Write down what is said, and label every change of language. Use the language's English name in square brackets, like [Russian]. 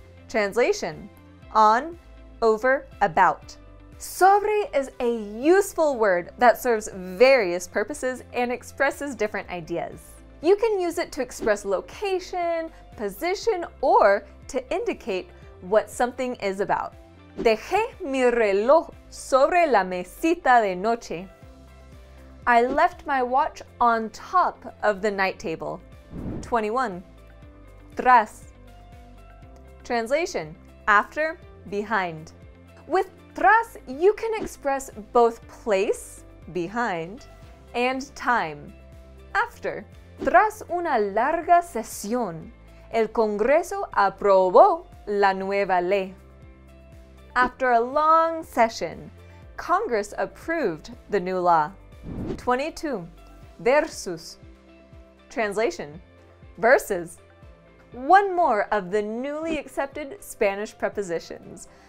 [English] Translation: on, over, about. Sobre is a useful word that serves various purposes and expresses different ideas. You can use it to express location, position, or to indicate what something is about. [Spanish] Dejé mi reloj sobre la mesita de noche. [English] I left my watch on top of the night table. 21. Tras. Translation: after, behind. With tras, you can express both place, behind, and time, after. [Spanish] Tras una larga sesión, el Congreso aprobó la nueva ley. [English] After a long session, Congress approved the new law. 22. Versus. Translation: versus. One more of the newly accepted Spanish prepositions.